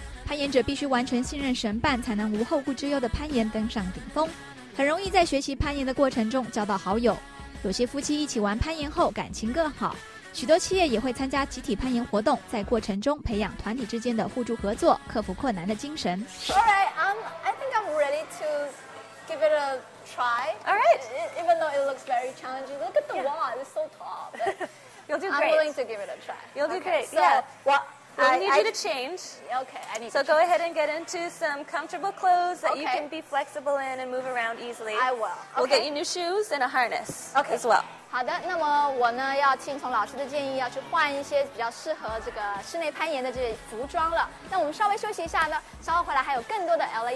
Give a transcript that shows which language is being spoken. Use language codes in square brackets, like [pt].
[zh] 攀岩者必须完全信任绳伴，才能无后顾之忧的攀岩登上顶峰。很容易在学习攀岩的过程中交到好友，有些夫妻一起玩攀岩后感情更好。许多企业也会参加集体攀岩活动，在过程中培养团体之间的互助合作、克服困难的精神。 [en] All right, I think I'm ready to give it a try. All right. Even though it looks very challenging, look at the、yeah. wall, it's so tall. You'll do great. I'm willing to give it a try. You'll do、 okay. great, yeah. So, well, I need you to change. Okay, I need so to go ahead and get into some comfortable clothes that you can be flexible in and move around easily. I will. We'll get you new shoes and a harness as well. [zh] 好的，那么我呢要听从老师的建议，要去换一些比较适合这个室内攀岩的这些服装了。那我们稍微休息一下呢，稍后回来还有更多的 L.A.